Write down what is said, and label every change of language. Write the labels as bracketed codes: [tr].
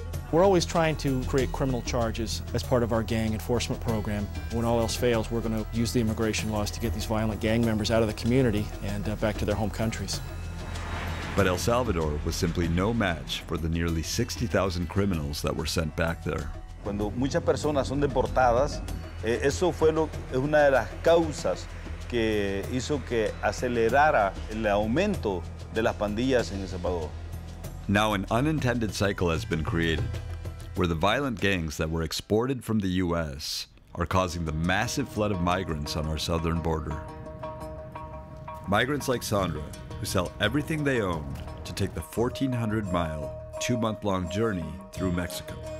[en] We're always trying to create criminal charges as part of our gang enforcement program. When all else fails, we're going to use the immigration laws to get these violent gang members out of the community and back to their home countries. But El Salvador was simply no match for the nearly 60,000 criminals that were sent back there. [es] Cuando muchas personas son deportadas, eso fue una de las causas que hizo que acelerara el aumento de las pandillas en El Salvador. [en] Now an unintended cycle has been created, where the violent gangs that were exported from the U.S. are causing the massive flood of migrants on our southern border. Migrants like Sandra, who sell everything they own to take the 1,400-mile, 2-month-long journey through Mexico.